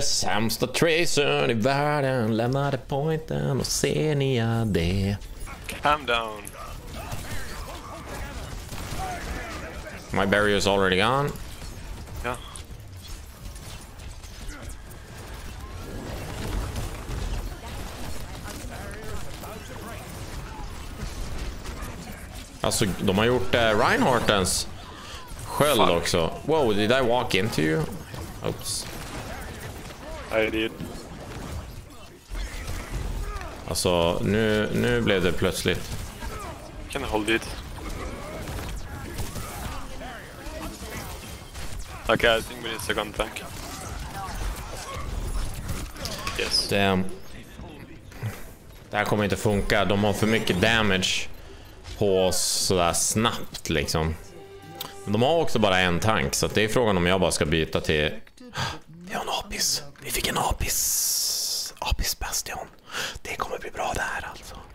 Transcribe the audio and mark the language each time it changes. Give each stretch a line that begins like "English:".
Swedish: Sämsta tracern i världen. Lämnade pointen och ser ni det.
English: Calm down. My barrier is already gone.
Swedish: Alltså, de har gjort Reinhardtens sköld. Fuck. Också.
English: Whoa, did I walk into you? Oops. I did.
Swedish: Alltså, nu blev det plötsligt.
English: Can I hold it? Okay, I think we need a second tank. Yes. Damn.
Swedish: Det här kommer inte funka, de har för mycket damage. På oss sådär snabbt liksom. Men de har också bara en tank. Så att det är frågan om jag bara ska byta till. Vi har en Apis. Vi fick en Apis. Apis bastion. Det kommer bli bra där alltså.